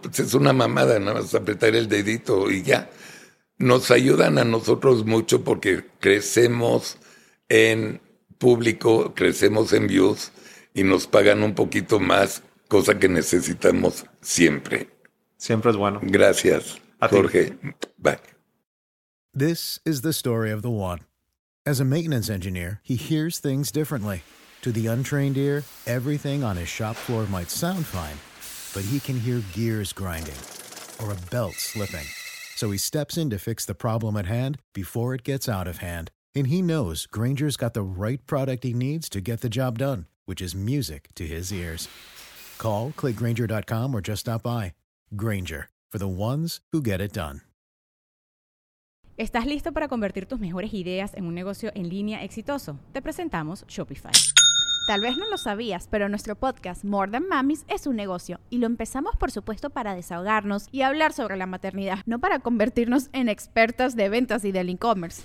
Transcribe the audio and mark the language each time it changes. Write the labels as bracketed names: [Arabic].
[Spanish] Pues es una mamada, nada más apretar el dedito y ya. Nos ayudan a nosotros mucho porque crecemos en público, crecemos en views y nos pagan un poquito más, cosa que necesitamos siempre. Siempre es bueno. Gracias, Jorge. Bye. [English] This is the story of the one. As a maintenance engineer, he hears things differently. To the untrained ear, everything on his shop floor might sound fine, but he can hear gears grinding or a belt slipping. So he steps in to fix the problem at hand before it gets out of hand. And he knows Granger's got the right product he needs to get the job done, which is music to his ears. Call, click Granger.com, or just stop by. Granger, for the ones who get it done. [Spanish] ¿Estás listo para convertir tus mejores ideas en un negocio en línea exitoso? Te presentamos Shopify. Tal vez no lo sabías, pero nuestro podcast More Than Mamis es un negocio. Y lo empezamos, por supuesto, para desahogarnos y hablar sobre la maternidad, no para convertirnos en expertas de ventas y del e-commerce.